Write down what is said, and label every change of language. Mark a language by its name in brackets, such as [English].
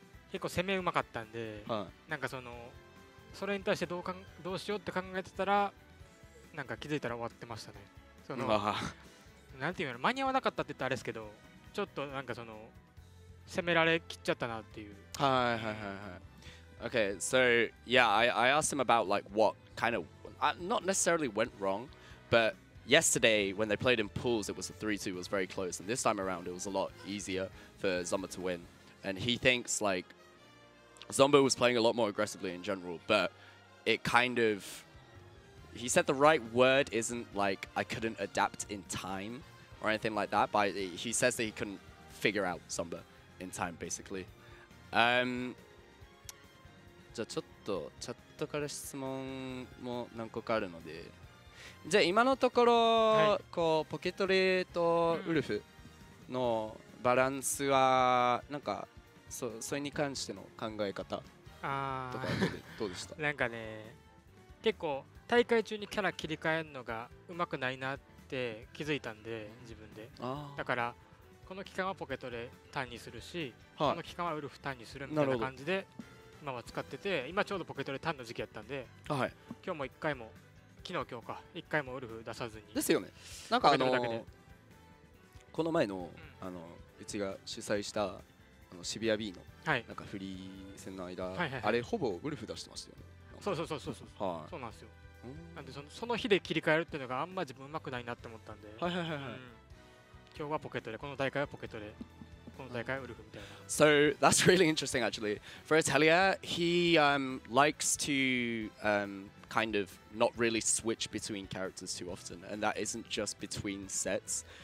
[Japanese] 結構攻めうまかったんで、はい、なんかそのそれに対してどうしようって考えてたら、なんか気づいたら終わってましたね。そのなんていうの、間に合わなかったって言ったらあれですけど、ちょっとなんかその攻められきっちゃったなっていう。はいはいはいはい。 [English] Okay, so yeah, I asked him about like what kind of not necessarily went wrong, but yesterday when they played in pools, it was a 3-2, it was very close, and this time around it was a lot easier. For Zomba to win, and he thinks like Zomba was playing a lot more aggressively in general, but it kind of, he said the right word isn't like I couldn't adapt in time or anything like that, but he says that he couldn't figure out Zomba in time basically. [Japanese] じゃあちょっとチャットから質問も何個かあるので、じゃあ今のところ、はい、こうポケトレとウルフの、うんバランスはなんか それに関しての考え方とかどうでしたなんかね、結構大会中にキャラ切り替えるのがうまくないなって気づいたんで自分で、あだからこの期間はポケトレターンにするし、はい、この期間はウルフターンにするみたいな感じで今は使ってて、今ちょうどポケトレターンの時期やったんで、はい、今日も1回も昨日今日か1回もウルフ出さずにですよね。なんかこの前の、うん、うちが主催したあの渋谷 B の、はい、なんかフリー戦の間、はいはいはい、あれほぼウルフ出してましたよね。そうそうそうそうそう、はい、そうなんですよ。なんでその日で切り替えるっていうのがあんま自分うまくないなって思ったんで、はいはいはい、はい、今日はポケトレ、この大会はポケトレ、この大会はウルフみたいな。 [English] So that's really interesting actually. For Atelier, he likes to kind of not really switch between characters too often, and that isn't just between sets.